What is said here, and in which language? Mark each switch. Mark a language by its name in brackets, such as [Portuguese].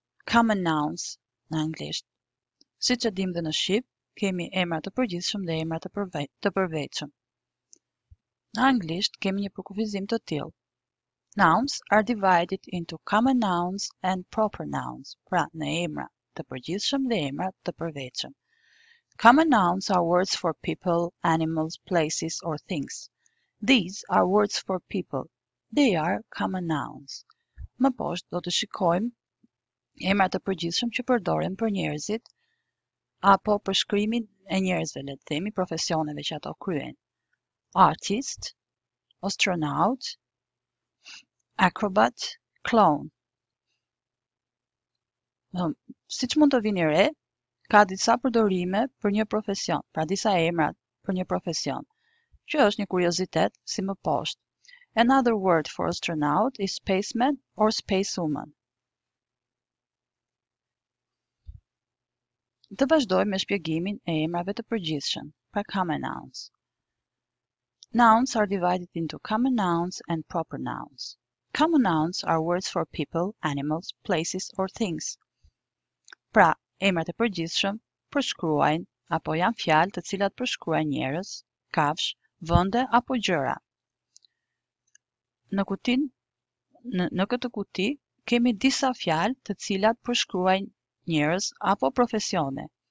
[Albanian] Common nouns në anglisht. Siç e dimë dhe në shqip, kemi emrat e përgjithshëm dhe emrat të përveçshëm. Në anglisht kemi një përkufizim të tillë. [English] Nouns are divided into common nouns and proper nouns, [Albanian] pra në emra të përgjithshëm dhe emra të përveçshëm. [English] Common nouns are words for people, animals, places or things. These are words for people. They are common nouns. [Albanian] Më poshtë do të shikojmë emra të përgjithshëm që përdoren për njerëzit apo për shkrimin e njerëzve, le të themi profesioneve që ato kryejnë. [English] Artist, astronaut, acrobat, clone. [Albanian] Si që mund të vini re, ka disa përdorime për një profesion, pra disa emrat për një profesion, që është një kuriozitet si më poshtë. [English] Another word for astronaut is spaceman or spacewoman. [Albanian] Të vazhdoj me shpjegimin e emrave të përgjithshëm, pra common nouns. [English] Nouns are divided into common nouns and proper nouns. Common nouns are words for people, animals, places or things. [Albanian] Pra, emrat e përgjithshëm përshkruajnë apo janë fjalë të cilat përshkruajnë njerëz, kafsh, vende apo gjëra. Në këtë kuti kemi disa fjalë të cilat përshkruajnë njerëz apo profesione.